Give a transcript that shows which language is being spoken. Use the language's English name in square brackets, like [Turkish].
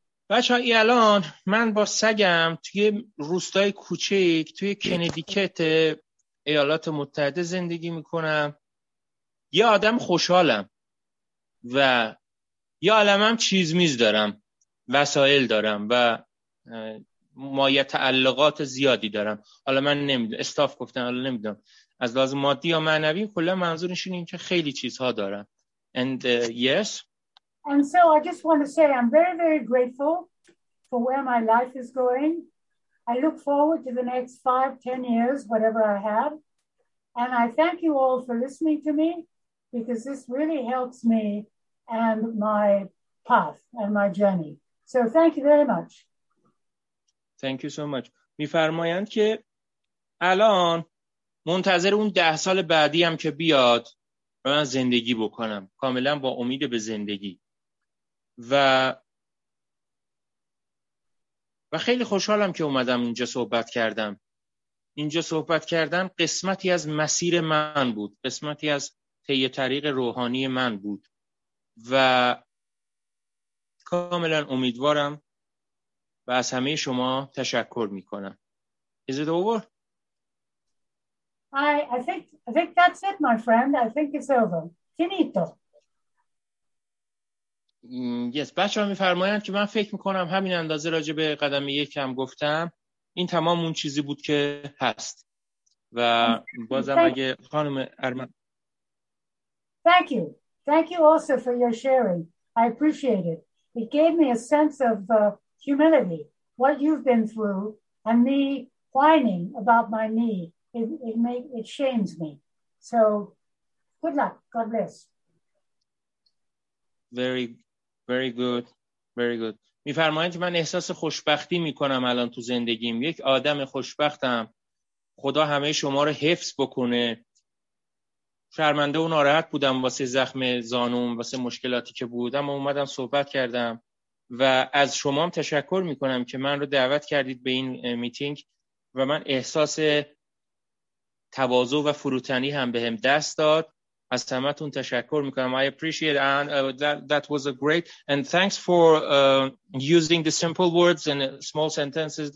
[Persian] بچه ها الان من با سگم توی روستای کوچیک توی کنیدیکت ایالات متحده زندگی میکنم، یه آدم خوشحالم و یه عالمم چیز میز دارم، وسایل دارم و مایه تعلقات زیادی دارم. حالا من نمیدونم استاف گفتن، حالا نمیدونم از لحاظ مادی یا معنوی، کلا منظورش اینه که خیلی چیزها دارم. [English] And yes. And so I just want to say I'm very very grateful for where my life is going. I look forward to the next 5-10 years whatever I have. And I thank you all for listening to me because this really helps me and my path and my journey. So thank you very much. Thank you so much. [Persian] میفرمایند که الان منتظر اون 10 سال بعدی هم که بیاد من زندگی بکنم، کاملا با امید به زندگی و خیلی خوشحالم که اومدم اینجا صحبت کردم. اینجا صحبت کردن قسمتی از مسیر من بود، قسمتی از طی طریق روحانی من بود و کاملا امیدوارم و از همه شما تشکر میکنم. [English] Is it over? I think that's it, my friend. I think it's over. Finito. [Persian] Yes, بچه ها میفرمایند که من فکر میکنم همین اندازه راجع به قدم یکم گفتم. این تمام اون چیزی بود که هست. و بازم اگه خانم ارمن. [English] Thank you. Thank you also for your sharing. I appreciate it. It gave me a sense of humility. What you've been through and me whining about my knee. It shames me. So, good luck. God bless. Very, very good. Very good. [Persian] می فرمایند که من احساس خوشبختی می کنم الان تو زندگیم. یک آدم خوشبختم. خدا همه شما رو حفظ بکنه. شرمنده و ناراحت بودم واسه زخم زانوم، واسه مشکلاتی که بود. اما اومدم صحبت کردم و از شما هم تشکر می کنم که من رو دعوت کردید به این میتینگ و من احساس تواضع و فروتنی هم به هم دست داد. از همتون تشکر میکنم. [English] I appreciate and that was a great and thanks for using the simple words and small sentences.